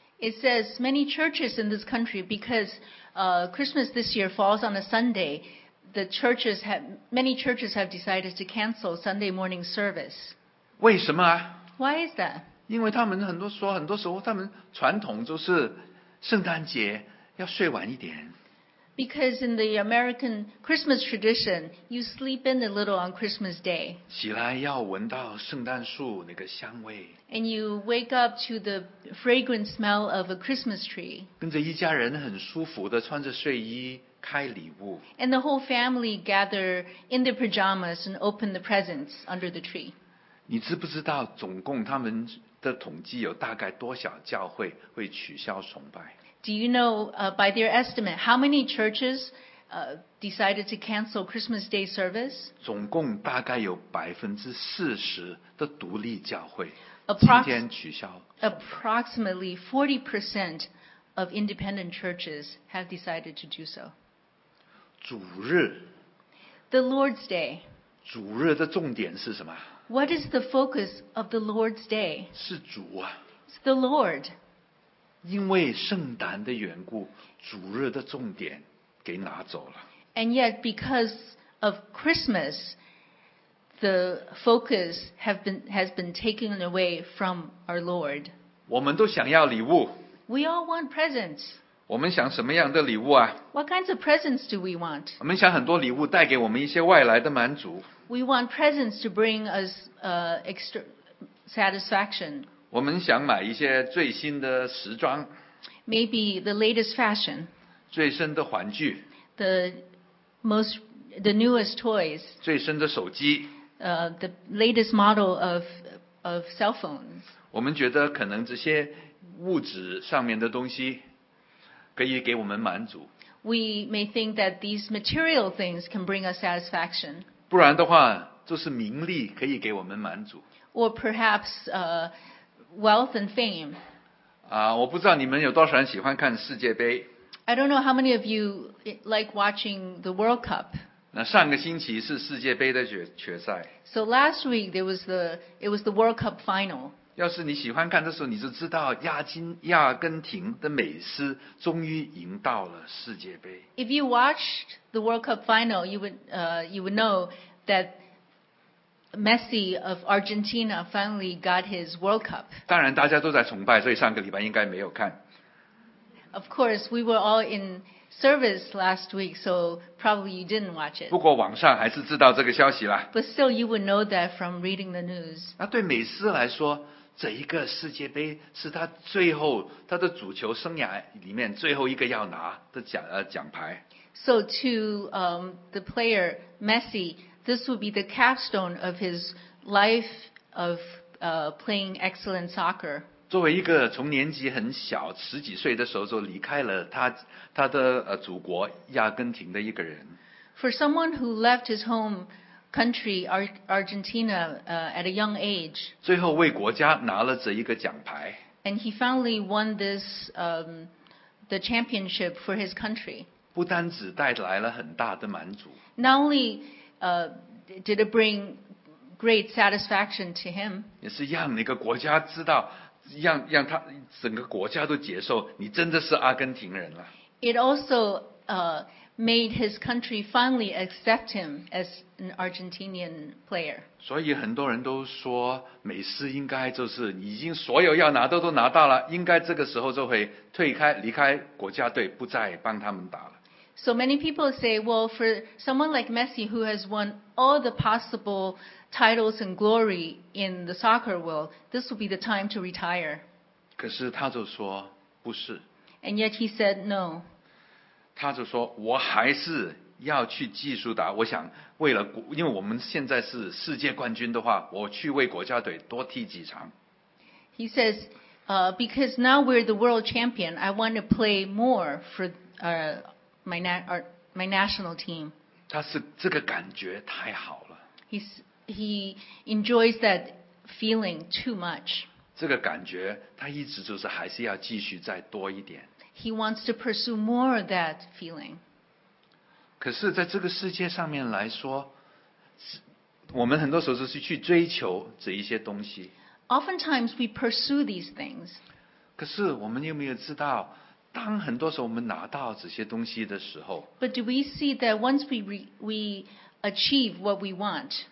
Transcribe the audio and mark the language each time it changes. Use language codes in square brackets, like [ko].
[en] It says many churches in this country, because Christmas this year falls on a Sunday, many churches have decided to cancel Sunday morning service. [zh] 为什么啊？ [en] Why is that? [zh] 因为他们很多说，很多时候他们传统就是圣诞节要睡晚一点。 [en] Because in the American Christmas tradition, you sleep in a little on Christmas Day. [zh] 起来要闻到圣诞树那个香味。 [en] And you wake up to the fragrant smell of a Christmas tree. [zh] 跟着一家人很舒服的穿着睡衣开礼物。 [en] And the whole family gather in their pajamas and open the presents under the tree. [zh] 你知不知道总共他们的统计有大概多少教会会取消崇拜？ [en] Do you know, by their estimate, how many churches decided to cancel Christmas Day service? [zh] 总共大概有40%的独立教会今天取消。 [en] Approximately 40% of independent churches have decided to do so. [zh] 主日。 [en] The Lord's Day. [zh] 主日的重点是什么？ [en] What is the focus of the Lord's Day? [zh] 是主啊。 [en] It's the Lord. [zh] 因为圣诞的缘故，主日的重点给拿走了。 [en] And yet, because of Christmas, the focus has been taken away from our Lord. [zh] 我们都想要礼物。 [en] We all want presents. [zh] 我们想什么样的礼物啊？ [en] What kinds of presents do we want? [zh] 我们想很多礼物带给我们一些外来的满足。 [en] We want presents to bring us extra satisfaction. [zh] 我们想买一些最新的时装 [en] ，maybe the latest fashion， [zh] 最新的玩具 [en] ，the newest toys， [zh] 最新的手机 [en] ，the latest model of cell phones。 [zh] 我们觉得可能这些物质上面的东西可以给我们满足。 [en] We may think that these material things can bring us satisfaction。 [zh] 不然的话，就是名利可以给我们满足。 [en] Or perhaps wealth and fame. [zh] 我不知道你们有多少人喜欢看世界杯。 [en] I don't know how many of you like watching the World Cup. [zh] 那上个星期是世界杯的决赛。 [en] So last week it was the World Cup final. [zh] 要是你喜欢看的时候，你就知道亚根廷的美斯终于赢到了世界杯。 [en] If you watched the World Cup final, you would know that. Messi of Argentina finally got his World Cup. [zh] 当然大家都在崇拜，所以上个礼拜应该没有看。 [en] Of course, we were all in service last week, so probably you didn't watch it. [zh] 不过网上还是知道这个消息了。 [en] But still, you would know that from reading the news. [zh] 那对美斯来说，这一个世界杯是他最后他的足球生涯里面最后一个要拿的奖牌。 [en] So to the player Messi. This would be the capstone of his life of playing excellent soccer. [zh] 作为一个从年纪很小十几岁的时候就离开了他的祖国亚根廷的一个人。 [en] For someone who left his home country, Argentina, at a young age. [zh] 最后为国家拿了这一个奖牌。 [en] And he finally won this, the championship for his country. [zh] 不单只带来了很大的满足。 [en] Not only did it bring great satisfaction to him? [zh] 也是让那个国家知道，让他整个国家都接受你真的是阿根廷人了。 [en] It also made his country finally accept him as an Argentinian player. [zh] 所以很多人都说，美斯应该就是已经所有要拿的都拿到了，应该这个时候就会离开国家队，不再帮他们打了。 [en] So many people say, well, for someone like Messi who has won all the possible titles and glory in the soccer world, this will be the time to retire. [zh] 可是他就说不是。 [en] And yet he said no. [zh] 他就说我还是要去继续打，我想为了，因为我们现在是世界冠军的话，我去为国家队多踢几场。 [en] He says, because now we're the world champion, I want to play more for my national team. [zh] 他是这个感觉太好了。 [en] He's he enjoys that feeling too much. [zh] 这个感觉他一直就是还是要继续再多一点。 [en] He wants to pursue more of that feeling. [zh] 可是在这个世界上面来说，我们很多时候是去追求这一些东西。 [en] Oftentimes we pursue these things. [zh] 可是我们有没有知道，当很多时候我们拿到这些东西的时候 [en] ，But do we see that once we achieve what we want，